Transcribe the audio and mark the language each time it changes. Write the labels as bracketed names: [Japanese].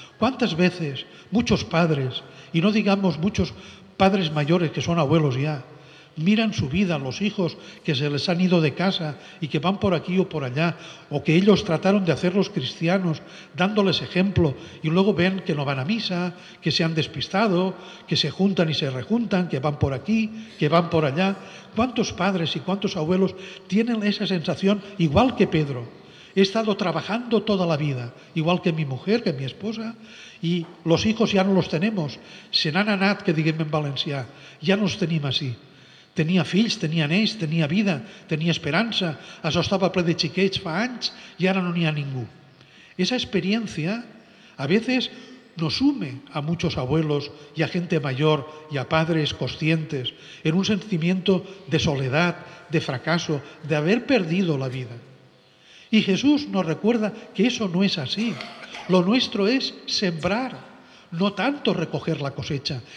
[Spanish] ¿Cuántas veces muchos padres, y no digamos muchos padres mayores que son abuelos ya, miran su vida, los hijos que se les han ido de casa y que van por aquí o por allá, o que ellos trataron de hacerlos cristianos dándoles ejemplo y luego ven que no van a misa, que se han despistado, que se juntan y se rejuntan, que van por aquí, que van por allá? ¿Cuántos padres y cuántos abuelos tienen esa sensación igual que Pedro? He estado trabajando toda la vida, igual que mi mujer, que mi esposa, y los hijos ya no los tenemos. [Catalan] Se n'han anat, que diguem en valencià, [Spanish] ya no los [Catalan] tenim así. Tenia fills, tenia nens, tenia vida, tenia esperança, això estava ple de xiquets fa anys i ara no n'hi ha ningú. [Spanish] Esa experiencia a veces nos une a muchos abuelos y a gente mayor y a padres conscientes en un sentimiento de soledad, de fracaso, de haber perdido la vida. Y Jesús nos recuerda que eso no es así. Lo nuestro es sembrar, no tanto recoger la cosecha.